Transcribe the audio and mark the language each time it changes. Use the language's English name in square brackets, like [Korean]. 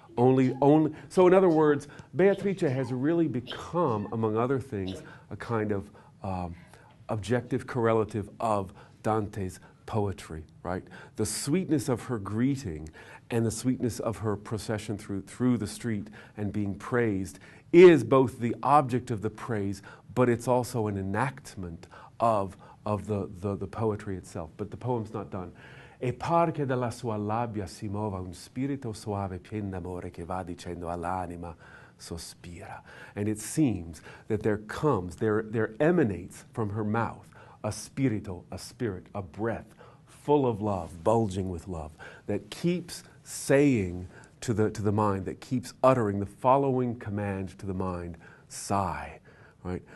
[English] Only. So in other words, Beatrice has really become, among other things, a kind of objective correlative of Dante's poetry, right? The sweetness of her greeting and the sweetness of her procession through the street and being praised is both the object of the praise, but it's also an enactment of the poetry itself. But the poem's not done. [Italian] E par che dalla sua labbia si muova un spirito soave pien d'amore che va dicendo all'anima sospira. [English] And it seems that there emanates from her mouth a spirito, a spirit, a breath full of love, bulging with love, that keeps saying to the mind, that keeps uttering the following command to the mind, sigh, right?